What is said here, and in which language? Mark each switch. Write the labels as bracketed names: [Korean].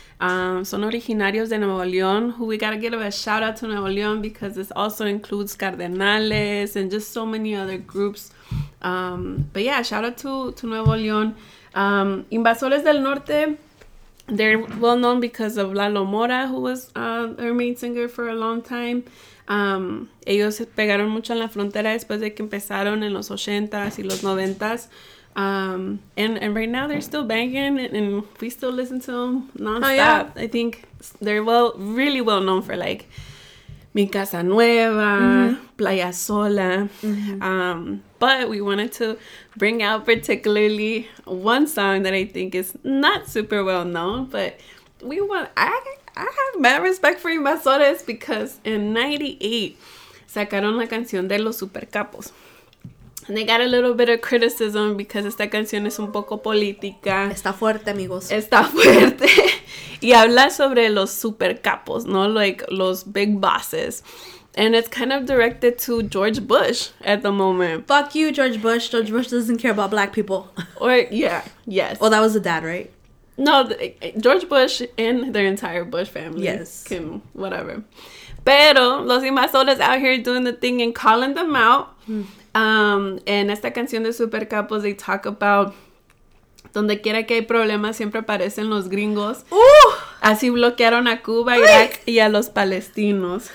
[Spanish] Son originarios de Nuevo León, [English] who we gotta give a shout out to Nuevo León because this also includes Cardenales and just so many other groups. But yeah, shout out to Nuevo León. Invasores del Norte, they're well known because of Lalo Mora, who was their main singer for a long time. [Spanish] Ellos pegaron mucho en la frontera después de que empezaron en los 80s y los 90s. [English] And right now they're still banging and we still listen to them nonstop. Oh, yeah. I think they're really well known for like Mi Casa Nueva, mm-hmm. Playa Sola. Mm-hmm. But we wanted to bring out particularly one song that I think is not super well known, but I have mad respect for Invasores because in 1998 [Spanish] sacaron la canción de Los Supercapos. [English] And they got a little bit of criticism because [Spanish] esta canción es un poco política. Está fuerte, amigos. Está fuerte. Y habla sobre los supercapos, ¿no? [English] Like, los big bosses. And it's kind of directed to George Bush at the moment. Fuck you, George Bush. George Bush doesn't care about black people. Or, yeah, yes. Well, that was the dad, right? No, George Bush and their entire Bush family. Yes. Can, whatever. [Spanish] Pero los [English] Invasores out here doing the thing and calling them out. Mm. [Spanish] En esta canción de Supercapos, [English] they talk about [Spanish] Donde quiera que hay problemas, siempre aparecen los gringos. ¡Uh! Así bloquearon a Cuba, Irak y a los palestinos.